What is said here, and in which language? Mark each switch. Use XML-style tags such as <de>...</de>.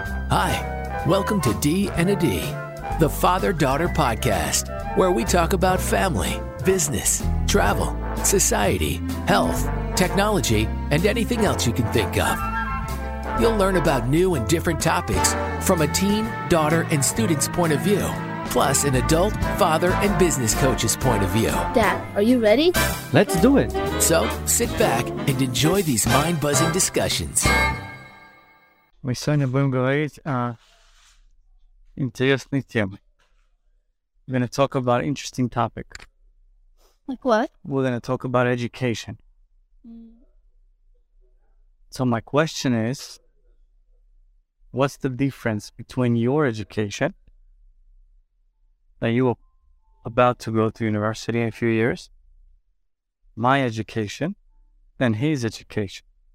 <en>Hi, welcome to D and a D, the father-daughter podcast, where we talk about family, business, travel, society, health, technology, and anything else you can think of. You'll learn about new and different topics from a teen, daughter, and student's point of view, plus an adult, father, and business coach's point of view. Dad, are you ready? Let's do it. So sit back and enjoy these mind-buzzing discussions.</en> <ru>Мы сегодня будем говорить о интересной теме.</ru> <en>We're going to talk about an interesting topic. Like what? We're going to talk about education. So my question is, what's the difference between your education that you are about to go to university in a few years, my education, and his education?</en>